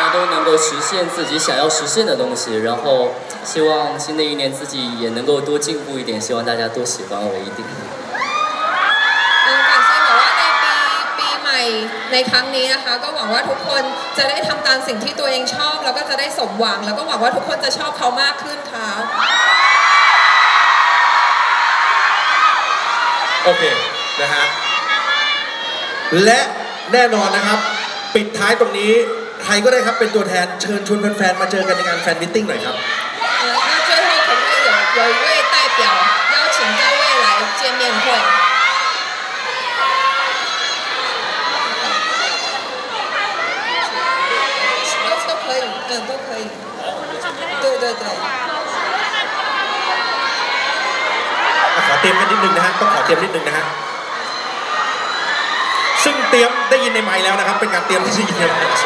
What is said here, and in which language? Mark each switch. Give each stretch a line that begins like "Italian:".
Chinese: 能够实现自己想要实现的东西，然后希望新的一年自己也能够多进步一点，希望大家多喜欢我一点。嗯，感谢我们在
Thai: ปีใหม่ในครั้งนี้นะคะก็หวังว่าทุกคนจะได้ทำตามสิ่งที่ตัวเองชอบแล้วก็จะได้สมหวังแล้วก็หวังว่าทุกคนจะชอบเขามากขึ้นค่ะ โอเคนะฮะและแน่นอนนะครับปิดท้ายตรงนี้ใครก็ได้ครับเป็นตัวแทนเชิญชวนแฟนๆมาเจอกันในงานแฟนมีตติ้งหน่อยครับ
Chinese: เออ最后肯定有一位代表邀请在未来见面会都可以嗯都可以对对对
Thai: ขอเตรียมกันนิดนึงนะฮะต้องขอเตรียมนิดนึงนะฮะซึ่งเตรียมได้ยินในไมค์แล้วนะครับเป็นการเตรียมที่ดีมาก